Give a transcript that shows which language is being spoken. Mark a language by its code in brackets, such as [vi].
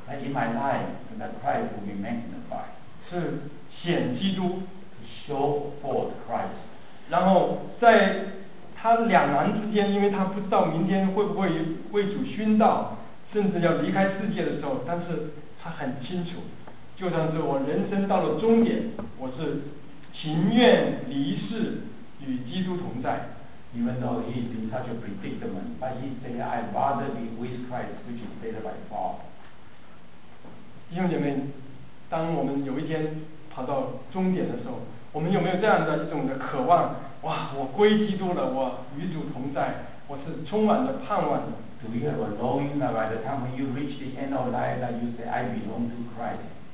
[en] And in my life, that Christ will be magnified. [zh] 是显基督。 [en] To show forth Christ. [zh] 然后在他两难之间，因为他不知道明天会不会为主殉道，甚至要离开世界的时候，但是他很清楚，就算是我人生到了终点，我是情愿离世与基督同在。 [en] Even though he is in such a predicament, but he said, I'd rather be with Christ, which is better by far. [zh] 弟兄姐妹，当我们有一天跑到终点的时候，我们有没有这样的一种的渴望？哇，我归基督了，我与主同在，我是充满了盼望的。 [en] Do you have a longing that by the time when you reach the end of life that you say I belong to Christ?